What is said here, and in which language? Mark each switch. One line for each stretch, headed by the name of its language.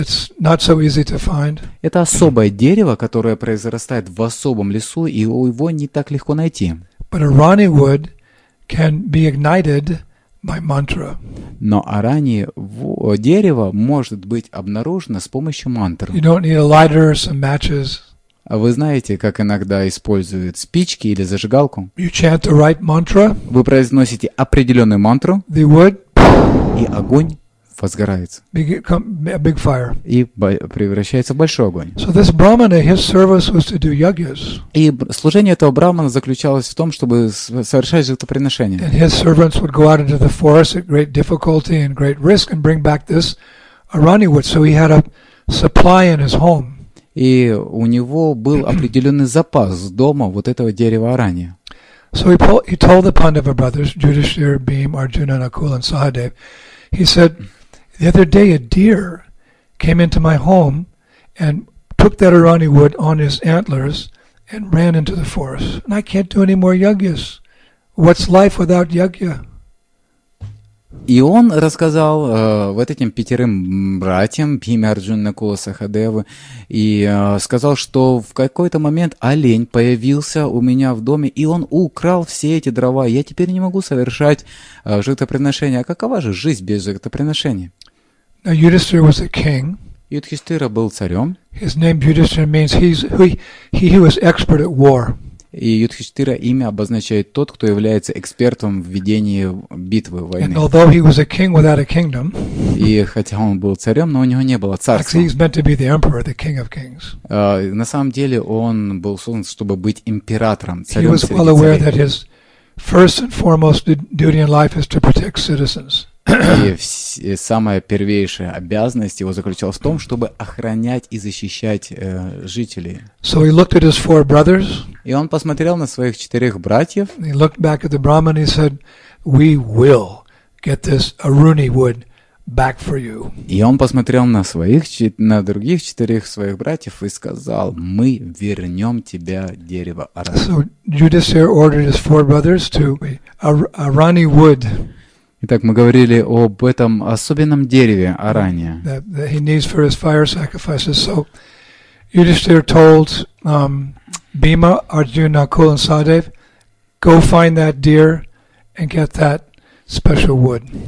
English: It's not so easy to find.
Russian: Это особое дерево, которое произрастает в особом лесу, и его не так легко найти.
English: But arani wood can be ignited by mantra.
Russian: Но араньи дерево может быть обнаружено с помощью мантры.
English: You don't need a lighter or some matches.
Russian: А вы знаете, как иногда используют спички или зажигалку?
English: You chant the right mantra.
Russian: Вы произносите определенную мантру.
English: The wood.
Russian: И огонь возгорается.
English: A big fire.
Russian: И превращается в большой огонь.
English: So this brahmana, his service was to do yagyas.
Russian: И служение этого брахмана заключалось в том, чтобы совершать жертвоприношения.
English: And his servants would go out into the forest at great difficulty and great risk and bring back this arani wood. So he had a supply in his home.
Russian: И у него был определенный запас дома вот этого дерева арани.
English: So he told the Pandava brothers, Yudhishthira, Bhim, Arjuna, Nakula, and Sahadev. He said, the other day a deer came into my home and took that arani wood on his antlers and ran into the forest. And I can't do any more yagyas. What's life without yagya?
Russian: И он рассказал вот этим пятерым братьям, Бхиме, Арджуне, Накуле, Сахадеве, и сказал, что в какой-то момент олень появился у меня в доме, и он украл все эти дрова. Я теперь не могу совершать жертвоприношение. А какова же жизнь без жертвоприношения?
English: Now, Yudhishthira was a king.
Russian: Юдхиштхира был царем.
English: His name Yudhishthira means he was expert at war.
Russian: И Юдхиштхира имя обозначает тот, кто является экспертом в ведении битвы, войны.
English: And although he was a king without a kingdom,
Russian: и хотя он был царем, но у него не было царства.
English: Actually, he's meant to be the emperor, the king of kings.
Russian: На самом деле он был создан, чтобы быть императором, царем среди царей.
English: He was well aware that his first and foremost duty in life is to protect citizens.
Russian: И самая первейшая обязанность его заключалась в том, чтобы охранять и защищать жителей.
English: So he looked at his four brothers.
Russian: И он посмотрел на своих четырех братьев.
English: He looked back at the brahman and he said, "We will get this aruni wood back for you."
Russian: И он посмотрел на своих на других четырех своих братьев и сказал: "Мы вернем тебе дерево арани."
English: So Yudhishthira ordered his four brothers to arani wood.
Russian: Итак, мы говорили об этом особенном дереве, аране.
English: That he needs for his fire sacrifices. So Yudhishthira told Bhima, Arjuna, Nakula, and Sahadev, go find that deer and get that special wood.